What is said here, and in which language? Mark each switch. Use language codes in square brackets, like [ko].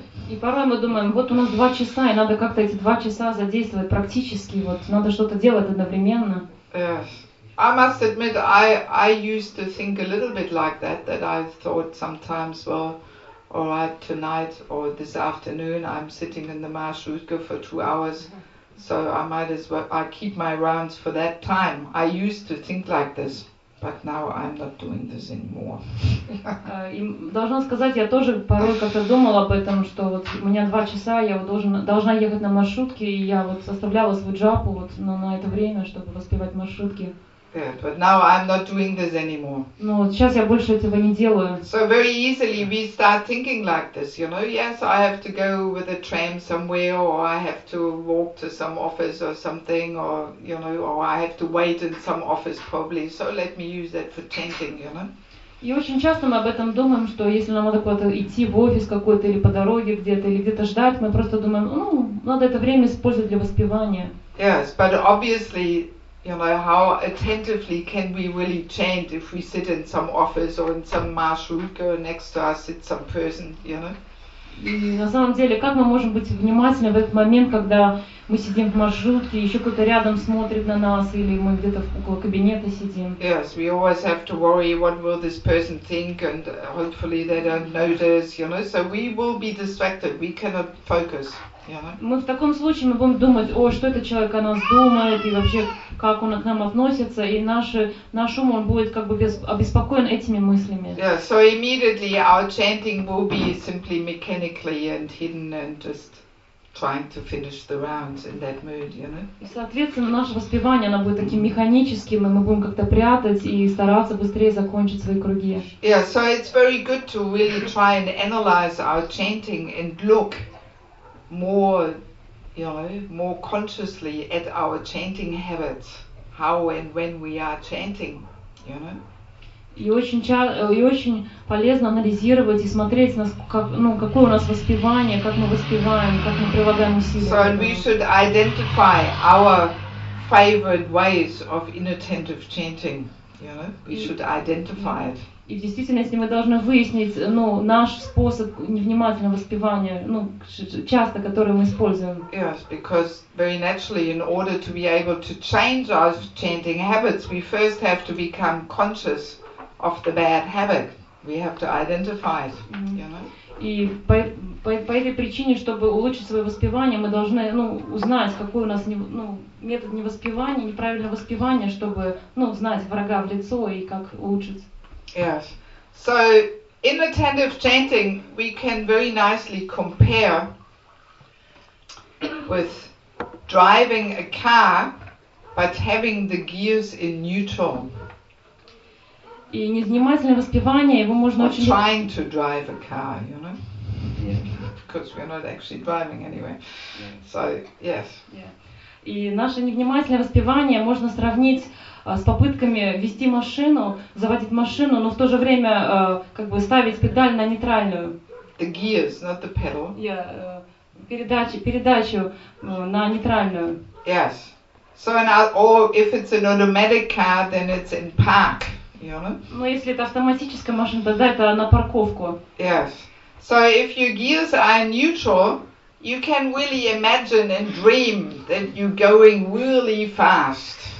[ru] И порой мы думаем, вот у нас 2 часа, и надо как-то эти 2 часа задействовать практически, вот надо что-то делать одновременно. [en] Yes. I must admit, I used to think a little bit like that, that I thought sometimes, well, all right, tonight or this afternoon, I'm sitting in the Marschrutka for 2 hours, so I might as well, I keep my rounds for that time. I used to think like this, but now I'm not doing this anymore. [ru] И должна сказать, я тоже порой как-то думала об этом, что вот у меня 2 часа, я вот должна ехать на маршрутке, и я вот составляла свой джапу вот на это время, чтобы воспевать маршрутки. [en] Yeah, but now I'm not doing this anymore. [ru] Ну, сейчас я больше этого не делаю. [en] So very easily we start thinking like this, you know, yes, I have to go with a tram somewhere, or I have to walk to some office or something, or, you know, or I have to wait in some office probably, so let me use that for chanting, you know. [ru] И очень часто мы об этом думаем, что если нам надо куда-то идти в офис какой-то, или по дороге где-то, или где-то ждать, мы просто думаем, ну, надо это время использовать для воспевания. [en] Yes, but obviously, you know, how attentively can we really chant if we sit in some office or in some marshrutka or next to us sits some person, you know? [ru] И на самом деле, как мы можем быть внимательны в этот момент, когда мы сидим в маршрутке, еще кто-то рядом смотрит на нас, или мы где-то около кабинета сидим? [en] Yes, we always have to worry what will this person think, and hopefully they don't notice, you know? So we will be distracted, we cannot focus. [ru] Мы в таком случае мы будем думать, о, что этот человек о нас думает и вообще как он к нам относится, и наш ум будет как бы обеспокоен этими мыслями. [en] Yeah, so immediately our chanting will be simply mechanically and hidden and just trying to finish the rounds in that mood, you know. [ru] И соответственно наше воспевание оно будет таким механическим, и мы будем как-то прятать и стараться быстрее закончить свои круги. [en] Yeah, so it's very good to really try and analyze our chanting and look more, you know, more consciously at our chanting habits, how and when we are chanting, you know. [ru] И очень полезно анализировать и смотреть, какое у нас воспевание, как мы воспеваем, как мы прилагаем усилия. [en] So we should identify our favorite ways of inattentive chanting, you know. We should identify it. [ru] И в действительности мы должны выяснить, ну, наш способ невнимательного воспевания, ну, часто, который мы используем. [en] Yes, because very naturally, in order to be able to change our chanting habits, we first have to become conscious of the bad habit. We have to identify it, you know. [ru] И по этой причине, чтобы улучшить свое воспевание, мы должны, ну, узнать, какой у нас метод невоспевания, неправильного воспевания, чтобы, ну, знать врага в лицо и как улучшить. [en] Yes. So in attentive chanting we can very nicely compare with driving a car but having the gears in neutral. [ru] И невнимательное воспевание его можно очень [en] trying to drive a car, you know? Because we're not actually driving anyway. So yes. [ru] И наше невнимательное воспевание можно сравнить с попытками вести машину, заводить машину, но в то же время как бы ставить педаль на нейтральную. [en] The gears, not the pedal. [ru] Передачу на нейтральную. [en] Yes. So in or if it's an automatic car, then it's in park, you know? [ru] Но если это автоматическая машина, тогда это на парковку. [en] Yes. So if your gears are neutral, you can really imagine and dream that you're going really fast.